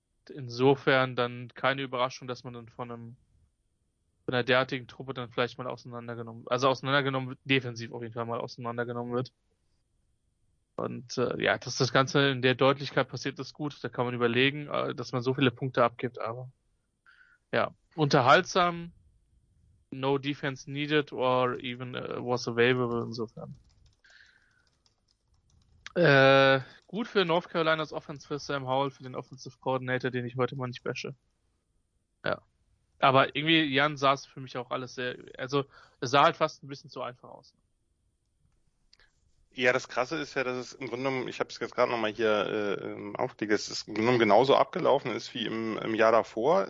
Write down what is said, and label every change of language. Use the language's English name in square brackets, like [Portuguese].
[German] Insofern dann keine Überraschung, dass man dann von einer derartigen Truppe dann vielleicht mal auseinandergenommen wird, defensiv auf jeden Fall mal auseinandergenommen wird. Und ja, dass das Ganze in der Deutlichkeit passiert, ist gut. Da kann man überlegen, dass man so viele Punkte abgibt, aber ja, unterhaltsam. [English] No defense needed or even was available, insofern. [German] Gut für North Carolinas Offense für Sam Howell, für den Offensive Coordinator, den ich heute mal nicht bashe. Ja. Aber irgendwie, Jan, sah es für mich auch alles sehr, also es sah halt fast ein bisschen zu einfach aus. Ja, das Krasse ist ja, dass es im Grunde genommen, ich habe es jetzt gerade nochmal hier aufgelegt, dass es im Grunde genommen genauso abgelaufen ist wie im Jahr davor.